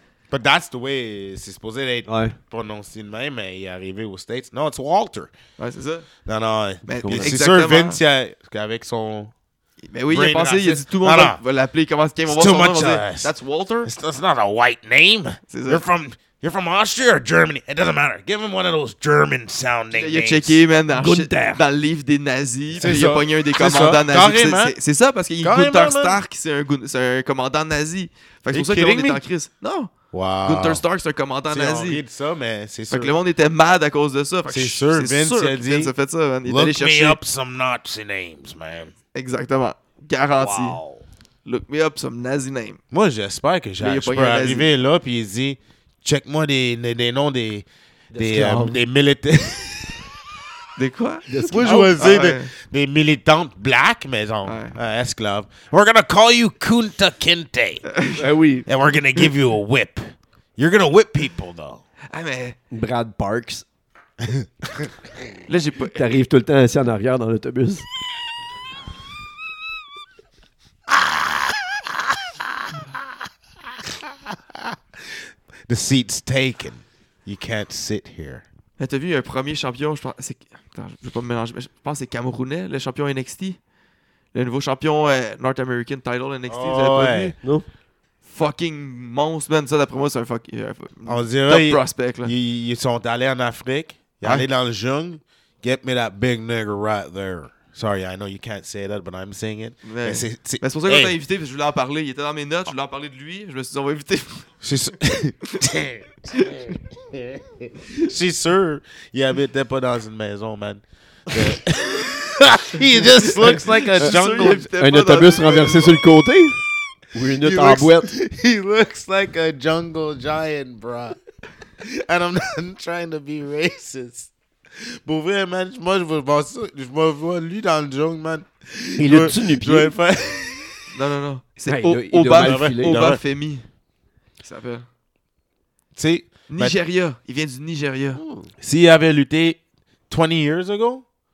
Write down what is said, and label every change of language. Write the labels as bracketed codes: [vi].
[en] But that's the way [fr] c'est supposé être prononcé de même, mais il est arrivé aux States. [en] Non, it's Walter. [fr] Ouais, c'est ça. Non, non. Mais, c'est sûr, Vince, avec son. Mais oui, il a pensé, il a dit tout le monde va l'appeler, comment est-ce qu'il va voir son nom, [en] that's Walter? It's not a white name. You're from Austria or Germany? It doesn't matter. Give him one of those German sounding names. [fr] Il a checké, man, dans le livre des nazis. C'est il a pogné un des commandants nazis. C'est ça, parce qu'il y a Gunther Stark, c'est un commandant nazi. Fait que c'est pour ça qu'on est en crise. Non. Wow. Gunther Stark, c'est un commandant nazi. On rit de ça, mais c'est sûr. Fait que le monde était mad à cause de ça. C'est sûr, Vince a dit. Vince a fait ça, man. [en] Look me up some Nazi names, man. [fr] Exactement. Garanti. [en] Wow. Look me up some Nazi names. [fr] Moi, j'espère que je peux arriver là, puis il dit, check-moi des noms des militaires. Des quoi? Moi, je veux dire des militantes black, mais en esclaves. [en] We're going to call you Kunta Kinte. [fr] Oui. [en] And we're going to give you a whip. You're going to whip people, though. [fr] Ah, mais... Brad Parks. Là, j'ai pas... T'arrives tout le temps assis en arrière dans l'autobus. [en] The seat's taken. You can't sit here. [fr] Mais t'as vu un premier champion, je pense. Attends, je vais pas me mélanger, mais je pense que c'est Camerounais, le champion NXT. Le nouveau champion North American title NXT, oh, vous avez pas vu? Non. Fucking monstre, man. Ça, d'après moi, c'est un fucking. On dirait. Top prospect, là. Ils sont allés en Afrique. Ils sont allés dans le jungle. [en] Get me that big nigga right there. Sorry, I know you can't say that, but I'm saying it. [fr] Mais c'est pour ça qu'on t'a invité, parce que je voulais en parler. Il était dans mes notes, je voulais en parler de lui. Je me suis dit, on va inviter. C'est sûr. C'est sûr. Il habitait pas dans une maison, man. [en] He just looks like a jungle. [fr] Un autobus renversé sur le côté? Ou une autre en boîte? [en] He looks like a jungle giant, bro. And I'm not trying to be racist. [fr] Pour vrai, man, moi, je me vois lui dans le jungle, man. Il a tué nu-pied. Non, non, non. C'est Obafemi. Qui s'appelle. Tu sais. Nigeria. Il vient du Nigeria. S'il avait lutté [en] 20 years ago.